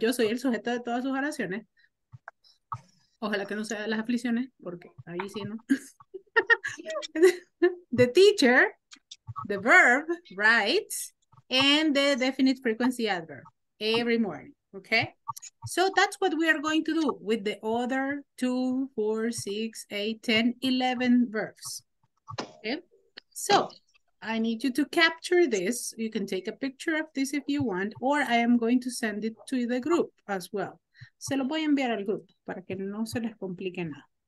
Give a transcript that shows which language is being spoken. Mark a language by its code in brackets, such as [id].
[es] Yo soy el sujeto de todas sus oraciones. Ojalá que no sea las aflicciones, porque ahí sí, ¿no? [en] The teacher, the verb, writes, and the definite frequency adverb, every morning. Okay, so that's what we are going to do with the other 2, 4, 6, 8, 10, 11 verbs. Okay, so I need you to capture this. You can take a picture of this if you want, or I am going to send it to the group as well. [es] Se lo voy a enviar al grupo para que no se les complique nada.